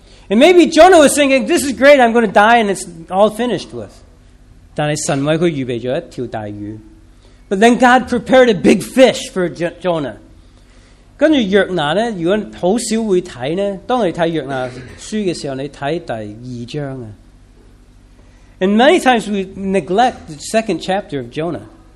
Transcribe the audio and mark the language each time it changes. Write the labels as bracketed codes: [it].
[en] And maybe Jonah was thinking, this is great, I'm going to die and it's all finished with. [zh] 但是神为他预备了一条大鱼。 [en] But then God prepared a big fish for Jonah. [zh] 跟着约拿呢，如果很少会看呢，当你看约拿书的时候，你看第二章。 [en] And many times we neglect the second chapter of Jonah.